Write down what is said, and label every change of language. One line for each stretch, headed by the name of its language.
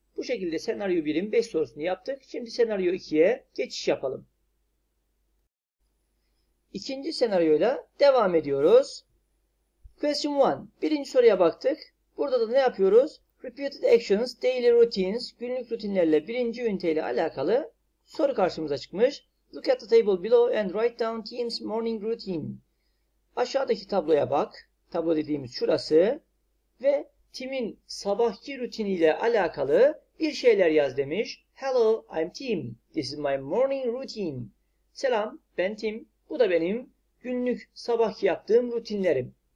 Turkish: Bu şekilde senaryo 1'in 5 sorusunu yaptık. Şimdi senaryo 2'ye geçiş yapalım. İkinci senaryoyla devam ediyoruz.
English: Question 1.
Turkish: Birinci soruya baktık. Burada da ne yapıyoruz?
English: Repeated actions, daily routines,
Turkish: günlük rutinlerle birinci üniteyle alakalı soru karşımıza çıkmış.
English: Look at the table below and write down team's morning routine.
Turkish: Aşağıdaki tabloya bak. Tablo dediğimiz şurası. Ve Tim'in sabahki rutiniyle alakalı bir şeyler yaz demiş.
English: Hello, I'm Tim. This is my morning routine.
Turkish: Selam, ben Tim. Bu da benim günlük sabahki yaptığım rutinlerim.